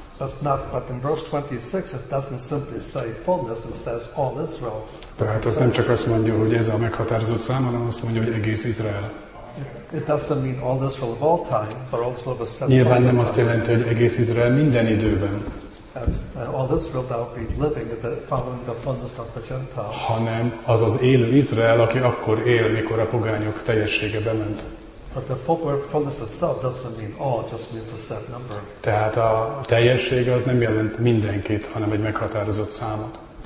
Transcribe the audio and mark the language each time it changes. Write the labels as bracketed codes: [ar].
[en] But in verse 26 it doesn't simply say fullness, it says all Israel. [hu] Tehát azt nem csak azt mondja, hogy ez a meghatározott szám, hanem azt mondja, hogy egész Izrael. [en] It doesn't mean all Israel of all time, but also of a set. [hu] Nyilván nem azt jelenti, hogy egész Izrael minden időben. [en] All Israel that will be living the following the fullness of the Gentiles. [hu] Hanem az az élő Izrael, aki akkor él, mikor a pogányok teljessége bement. [en] But the fullness itself doesn't mean all, just means a set number. [hu] Tehát a teljessége az nem jelent mindenkit, hanem egy meghatározott számot.